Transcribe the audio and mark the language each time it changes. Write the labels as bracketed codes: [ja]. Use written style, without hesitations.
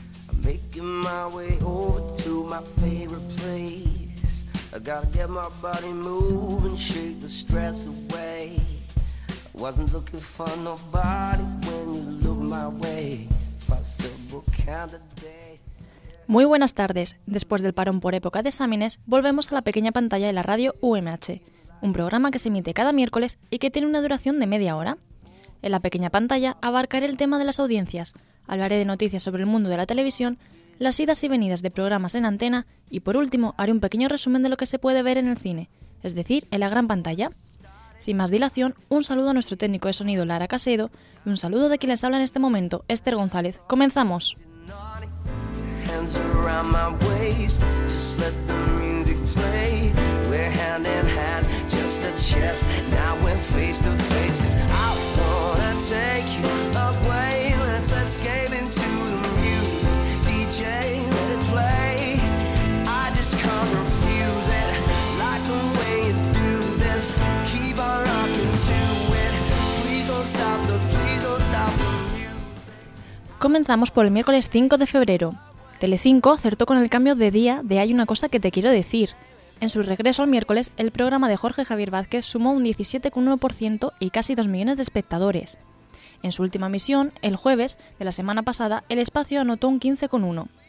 [en] I'm making my way over to my favorite place. I gotta get my body moving, shake the stress away. I wasn't looking for nobody when you looked my way. Possible candidate. [es] Muy buenas tardes. Después del parón por época de exámenes, volvemos a la pequeña pantalla de la radio UMH, un programa que se emite cada miércoles y que tiene una duración de media hora. En la pequeña pantalla abarcaré el tema de las audiencias, hablaré de noticias sobre el mundo de la televisión, las idas y venidas de programas en antena y, por último, haré un pequeño resumen de lo que se puede ver en el cine, es decir, en la gran pantalla. Sin más dilación, un saludo a nuestro técnico de sonido Lara Casedo y un saludo de quien les habla en este momento, Esther González. ¡Comenzamos! [en] Hands around my waist, just let the music play. We're hand in hand, just a chest. Now we're face to face, 'cause I wanna take you away. Let's escape into the music, DJ, let it play. I just can't refuse it, like the way you do this. Keep on rocking to it. Please don't stop the, please don't stop the music. [es] Comenzamos por el miércoles 5 de febrero. Telecinco acertó con el cambio de día de Hay una cosa que te quiero decir. En su regreso al miércoles, el programa de Jorge Javier Vázquez sumó un 17,1% y casi 2 millones de espectadores. En su última emisión, el jueves de la semana pasada, el espacio anotó un 15,1.